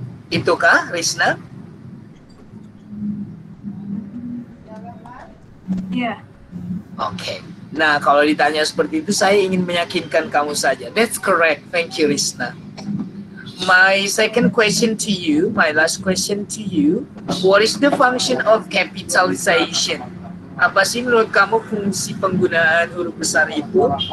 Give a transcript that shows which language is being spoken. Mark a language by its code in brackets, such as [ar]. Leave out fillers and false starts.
[id] Itu kah, Rizna? Iya. [en] Okay. [id] Nah, kalau ditanya seperti itu, saya ingin meyakinkan kamu saja. [en] That's correct. Thank you, Rizna. My second question to you, my last question to you. What is the function of capitalization? [id] Apa sih menurut kamu fungsi penggunaan huruf besar itu?